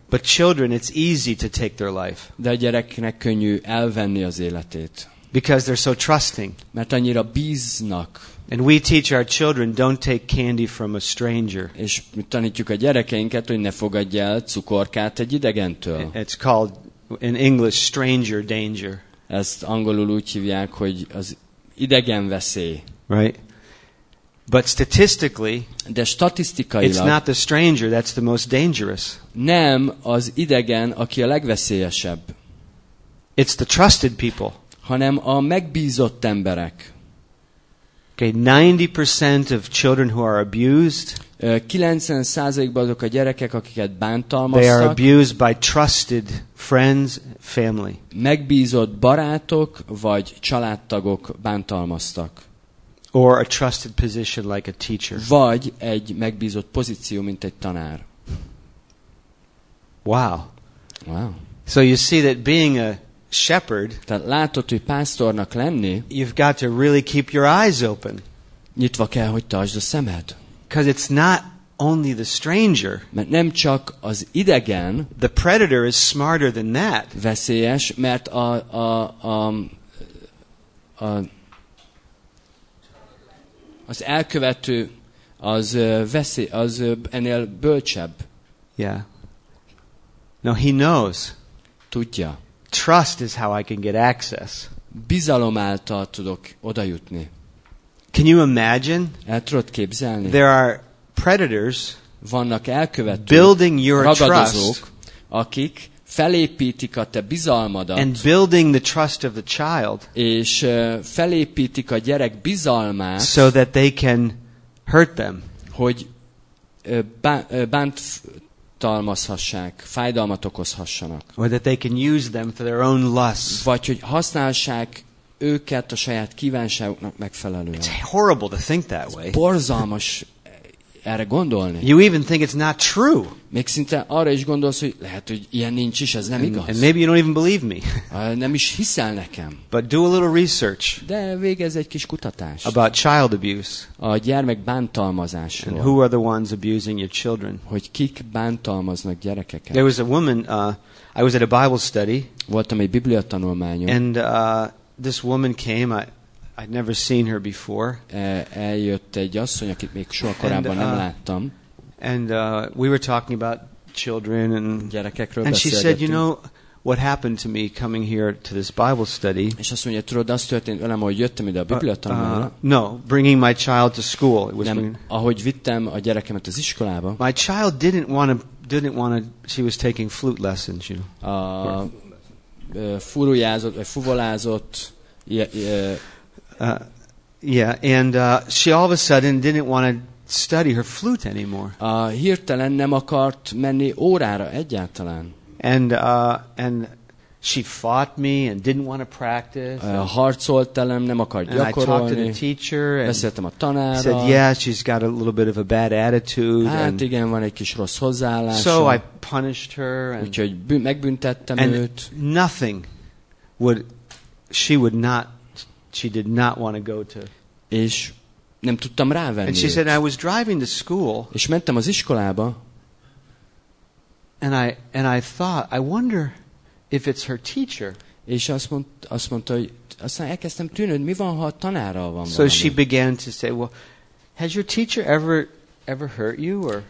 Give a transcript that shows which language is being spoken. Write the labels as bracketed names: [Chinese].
[English] But children, it's easy to take their life. [Hungarian] De a gyereknek könnyű elvenni az életét. [English] Because they're so trusting. [Hungarian] Mert annyira bíznak. [English] And we teach our children don't take candy from a stranger. [Hungarian] És mi tanítjuk a gyerekeinket, hogy ne fogadj el cukorkát egy idegentől. [English] It's called in English stranger danger. [Hungarian] Ezt angolul úgy hívják, hogy az idegen veszély. [English] Right? But statistically, [Hungarian] de statisztikailag, [English] it's not the stranger that's the most dangerous. [Hungarian] Nem az idegen, aki a legveszélyesebb. [English] It's the trusted people. [Hungarian] Hanem a megbízott emberek. [English] Okay, 90% of children who are abused, [Hungarian] 90%-ban azok a gyerekek, akiket bántalmaztak, [English] they are abused by trusted friends, family. [Hungarian] Megbízott barátok vagy családtagok bántalmaztak. [English] or a trusted position like a teacher. [Hungarian] Vagy egy megbízott pozíció, mint egy tanár. [English] Wow. Wow. So you see that being a shepherd, [Hungarian] tehát látod, hogy pásztornak lenni, [English] you've got to really keep your eyes open. [Hungarian] Nyitva kell, hogy tartsd a szemed. [English] Because it's not only the stranger. [Hungarian] Mert nem csak az idegen. [English] The predator is smarter than that. [Hungarian] Veszélyes, mert az elkövető az veszély, az ennél bölcsebb. [English] Yeah. No, he knows. [Hungarian] Tudja. [English] Trust is how I can get access. [Hungarian] Bizalom által tudok odajutni. [English] Can you imagine? [Hungarian] El tudod képzelni? [English] There are predators. [Hungarian] Vannak elkövetők. [English] Building your [Hungarian] ragadozók, [English] trust. [Hungarian] Akik felépítik a te bizalmadat. [English] And building the trust of the child. [Hungarian] És felépítik a gyerek bizalmát. [English] So that they can hurt them. [Hungarian] Hogy bántalmazhassák, fájdalmat okozhassanak. [English] Or that they can use them for their own lusts. [Hungarian] Vagy hogy használhassák őket a saját kívánságuknak megfelelően. [English] It's horrible to think that way. [Hungarian] Borzalmas erre gondolni. [English] You even think it's not true. [Hungarian] Még szinte arra is gondolsz, hogy lehet, hogy ilyen nincs is, ez nem igaz. [English] And maybe you don't even believe me. [Hungarian] Nem is hiszel nekem. [English] But do a little research. [Hungarian] De végezz egy kis kutatást. [English] About child abuse. [Hungarian] A gyermek bántalmazásról. [English] And who are the ones abusing your children? [Hungarian] Hogy kik bántalmaznak gyerekeket? [English] There was a woman. I was at a Bible study. [Hungarian] Voltam egy Biblia tanulmányon. [English] And this woman came. I'd never seen her before. [Hungarian] Eljött egy asszony, akit még soha korábban nem láttam. [English] And we were talking about children and [Hungarian] gyerekekről beszélgettünk. [English] And she said, you know what happened to me coming here to this Bible study? [Hungarian] És azt mondja, tudod, azt történt velem, ahogy jöttem ide a Biblia tanulmányra. [English] No, bringing my child to school. It was [Hungarian] nem, ahogy vittem a gyerekemet az iskolába. [English] My child didn't want to. She was taking flute lessons, you know. [Hungarian] Furujázott, vagy fuvolázott. [English] She all of a sudden didn't want to study her flute anymore. [Hungarian] Hirtelen nem akart menni órára egyáltalán. [English] And she fought me and didn't want to practice. [Hungarian] Harcolt velem, nem akart gyakorolni. [English] And I talked to the teacher and [Hungarian] beszéltem a tanárral. [English] Said, yeah, she's got a little bit of a bad attitude. [Hungarian] Hát igen, van egy kis rossz hozzáállása. [English] So I punished her. [Hungarian] Úgyhogy megbüntettem [English] and [Hungarian] őt. [English] Nothing would, she would not, she did not want to go to. [Hungarian] És nem tudtam rávenni. [English] And she said, I was driving to school. [Hungarian] És mentem az iskolába. [English] And I thought, I wonder if it's her teacher. [Hungarian] És azt mondta, hogy aztán elkezdtem tűnődni, mi van, ha a tanárral van. [English] So [Hungarian] valami. [English] She began to say, well, has your teacher ever hurt you or?